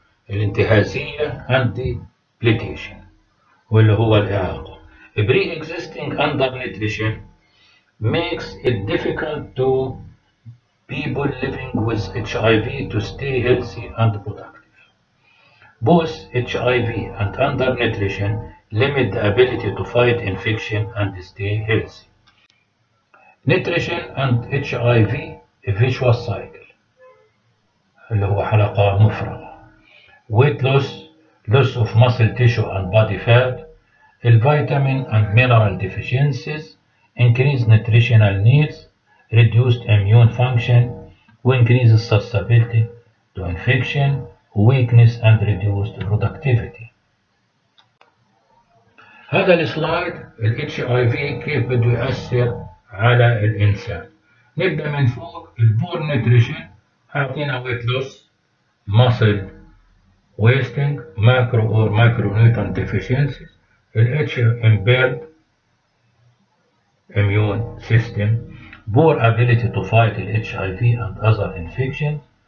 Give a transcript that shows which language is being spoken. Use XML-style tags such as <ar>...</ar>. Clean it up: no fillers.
<ar>الانتهازية</ar> <en>and depletion</en> <ar>واللي هو الإعاقة.</ar> <en>Pre-existing undernutrition makes it difficult to people living with HIV to stay healthy and productive. Both HIV and undernutrition limit the ability to fight infection and stay healthy. Nutrition and HIV, a vicious cycle</en> <ar>اللي هو حلقة مفرغة.</ar> <en>Weight loss, loss of muscle tissue and body fat, vitamin and mineral deficiencies, increased nutritional needs, reduced immune function, increases susceptibility to infection, weakness and reduced productivity.</en> <ar>هذا السلايد الـ HIV كيف بده يأثر على الإنسان. نبدأ من فوق الـ</ar> <en>Poor Nutrition</en> <ar>أعطينا</ar> <en>weight loss, muscle wasting, macro or micronutrient deficiencies, H impaired immune system, poor ability to fight HIV and other infections.</en>